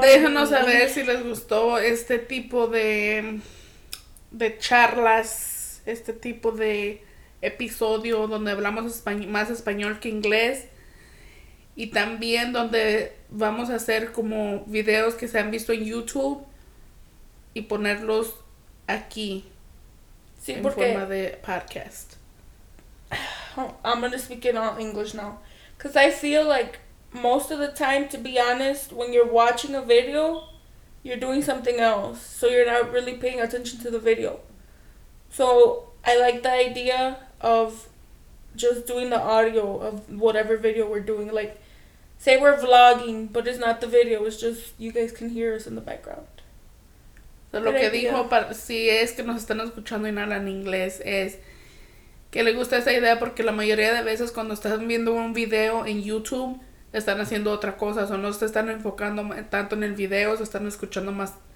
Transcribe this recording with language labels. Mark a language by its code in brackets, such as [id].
[es] Déjanos saber si les gustó este tipo de charlas, este tipo de episodio donde hablamos más español que inglés. Y también donde vamos a hacer como videos que se han visto en YouTube y ponerlos aquí. Sí, en porque forma de podcast. [en] I'm going to speak in all English now. Because I feel like most of the time, to be honest, when you're watching a video, you're doing something else. So you're not really paying attention to the video. So I like the idea of just doing the audio of whatever video we're doing. Like, say we're vlogging, but it's not the video. It's just you guys can hear us in the background. [es] So lo que dijo, si es que nos están escuchando y no hablan inglés, es que le gusta esa idea porque la mayoría de veces cuando están viendo un video en YouTube, están haciendo otra cosa. O no se están enfocando tanto en el video, se están escuchando más.